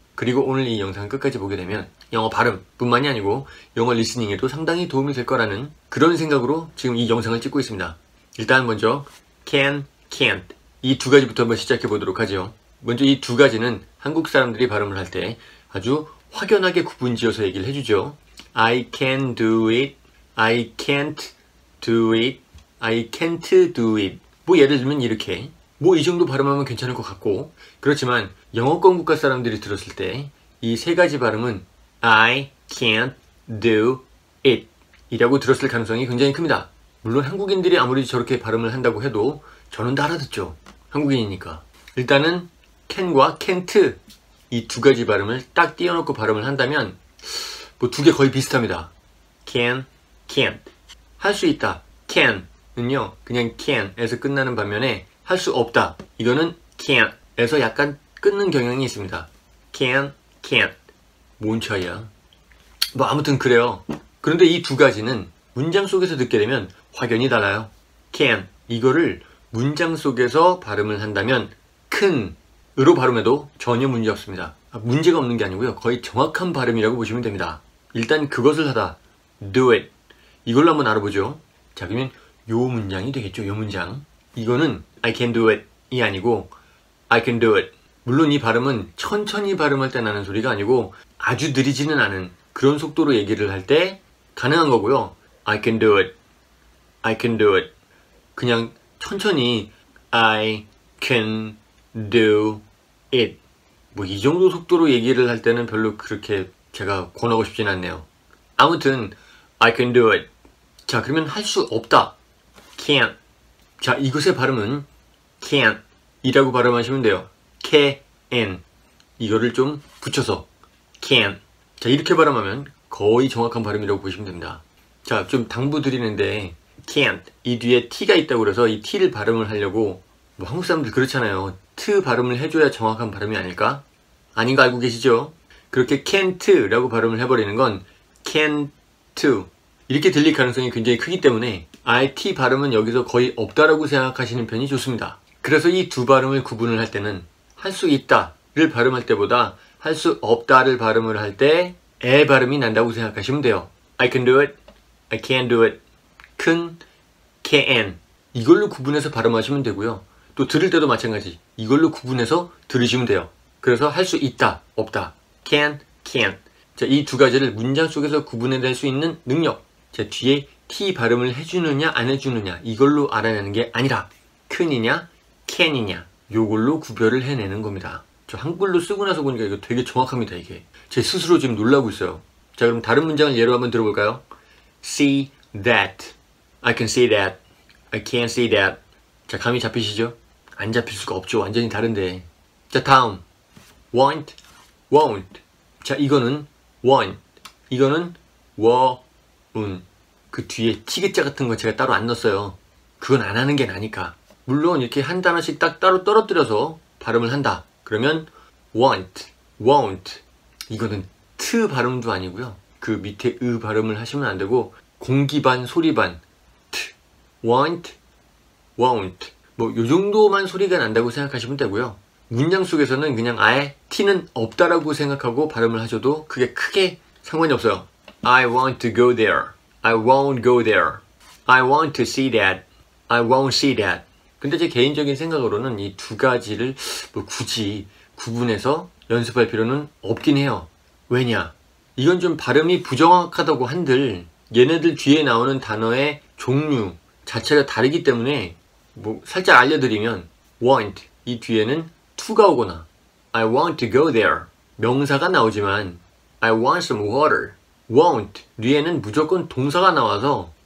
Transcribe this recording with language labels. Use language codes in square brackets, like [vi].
[ko] 그리고 오늘 이 영상 끝까지 보게 되면 영어 발음뿐만이 아니고 영어 리스닝에도 상당히 도움이 될 거라는 그런 생각으로 지금 이 영상을 찍고 있습니다. 일단 먼저 can, can't 이 두 가지부터 한번 시작해 보도록 하죠. 먼저 이 두 가지는 한국 사람들이 발음을 할 때 아주 확연하게 구분 지어서 얘기를 해주죠. [en] I can do it, I can't do it, I can't do it. [ko] 뭐 예를 들면 이렇게 뭐 이 정도 발음하면 괜찮을 것 같고, 그렇지만 영어권 국가 사람들이 들었을 때 이 세 가지 발음은 [en] I can't do it [ko] 이라고 들었을 가능성이 굉장히 큽니다. 물론 한국인들이 아무리 저렇게 발음을 한다고 해도 저는 다 알아듣죠. 한국인이니까. 일단은 can과 can't 이 두 가지 발음을 딱 띄워놓고 발음을 한다면 뭐 두 개 거의 비슷합니다. can, can't 할 수 있다, can은요 그냥 can에서 끝나는 반면에 할 수 없다, 이거는 can에서 약간 끊는 경향이 있습니다. can, can't 뭔 차이야? 뭐 아무튼 그래요. 그런데 이 두 가지는 문장 속에서 듣게 되면 확연히 달라요. can 이거를 문장 속에서 발음을 한다면 큰으로 발음해도 전혀 문제 없습니다. 문제가 없는 게 아니고요, 거의 정확한 발음이라고 보시면 됩니다. 일단 그것을 하다, do it 이걸로 한번 알아보죠. 자, 그러면 요 문장이 되겠죠. 요 문장, 이거는 [en] I can do it [ko] 이 아니고 [en] I can do it. [ko] 물론 이 발음은 천천히 발음할 때 나는 소리가 아니고 아주 느리지는 않은 그런 속도로 얘기를 할 때 가능한 거고요. [en] I can do it, I can do it. [ko] 그냥 천천히 [en] I can do it [ko] 뭐 이 정도 속도로 얘기를 할 때는 별로 그렇게 제가 권하고 싶진 않네요. [en] 아무튼 I can do it. [ko] 자, 그러면 할 수 없다, can't. 자, 이것의 발음은 can't 이라고 발음하시면 돼요. can 이거를 좀 붙여서 can't. 자, 이렇게 발음하면 거의 정확한 발음이라고 보시면 됩니다. 자, 좀 당부 드리는데 can't 이 뒤에 t가 있다고 그래서 이 t를 발음을 하려고, 뭐 한국 사람들 그렇잖아요, t 발음을 해줘야 정확한 발음이 아닐까? 아닌 거 알고 계시죠? 그렇게 can't 라고 발음을 해버리는 건 can't 이렇게 들릴 가능성이 굉장히 크기 때문에 it 발음은 여기서 거의 없다라고 생각하시는 편이 좋습니다. 그래서 이 두 발음을 구분을 할 때는 할 수 있다를 발음할 때보다 할 수 없다를 발음을 할 때 에 발음이 난다고 생각하시면 돼요. [en] I can do it, I can't do it, can, can [ko] 이걸로 구분해서 발음하시면 되고요. 또 들을 때도 마찬가지, 이걸로 구분해서 들으시면 돼요. 그래서 할 수 있다, 없다, can, can. 자, 이 두 가지를 문장 속에서 구분해낼 수 있는 능력, 자, 뒤에 t 발음을 해주느냐 안 해주느냐 이걸로 알아내는 게 아니라 can이냐 can이냐 이걸로 구별을 해내는 겁니다. 저 한글로 쓰고 나서 보니까 이거 되게 정확합니다. 이게 제 스스로 지금 놀라고 있어요. 자, 그럼 다른 문장을 예로 한번 들어볼까요? [en] See that, I can see that, I can't see that. [ko] 자, 감이 잡히시죠? 안 잡힐 수가 없죠. 완전히 다른데. 자, 다음 want, won't. 자, 이거는 want, 이거는 won. 그 뒤에 티그자 같은 거 제가 따로 안 넣었어요. 그건 안 하는 게 나니까. 물론 이렇게 한 단어씩 딱 따로 떨어뜨려서 발음을 한다, 그러면 want, won't. 이거는 t 발음도 아니고요, 그 밑에 으 발음을 하시면 안 되고 공기 반 소리 반 t, want, won't 뭐 요 정도만 소리가 난다고 생각하시면 되고요. 문장 속에서는 그냥 아예 t는 없다라고 생각하고 발음을 하셔도 그게 크게 상관이 없어요. [en] I want to go there, I won't go there, I want to see that, I won't see that. [ko] 근데 제 개인적인 생각으로는 이 두 가지를 뭐 굳이 구분해서 연습할 필요는 없긴 해요. 왜냐? 이건 좀 발음이 부정확하다고 한들 얘네들 뒤에 나오는 단어의 종류 자체가 다르기 때문에 뭐 살짝 알려드리면 want 이 뒤에는 to가 오거나 [en] I want to go there [ko] 명사가 나오지만 [en] I want some water, [ko] won't 뒤에는 무조건 동사가 나와서